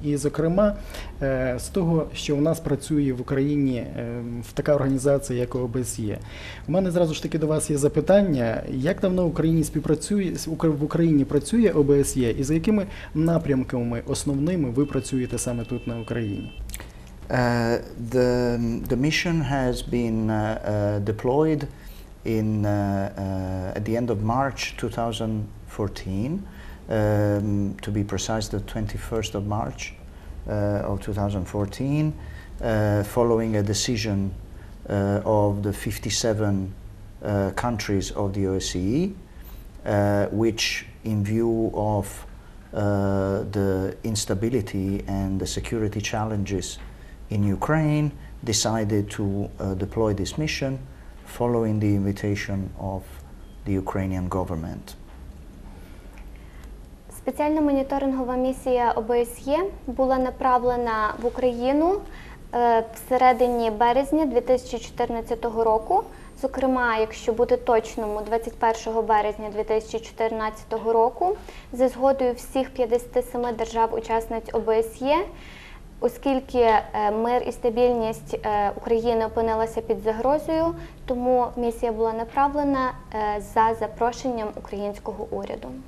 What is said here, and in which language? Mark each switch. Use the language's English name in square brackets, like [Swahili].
[Ukrainian] І, зокрема, з того, що у нас працює в Україні в така організація, як ОБСЄ. У мене зразу ж таки до вас є запитання, як давно в Україні працює ОБСЄ і за якими напрямками основними ви працюєте саме тут на Україні? [English] The mission has been deployed in at the end of March 2014, to be precise, the 21st of March of 2014, following a decision of the 57 countries of the OSCE, which, in view of the instability and the security challenges in Ukraine, decided to deploy this mission following the invitation of the Ukrainian government. [Ukrainian] Спеціальна моніторингова місія ОБСЄ була направлена в Україну в середині березня 2014 року. Зокрема, якщо бути точному, 21 березня 2014 року, за згодою всіх 57 держав-учасниць ОБСЄ, оскільки мир і стабільність України опинилися під загрозою, тому місія була направлена за запрошенням українського уряду.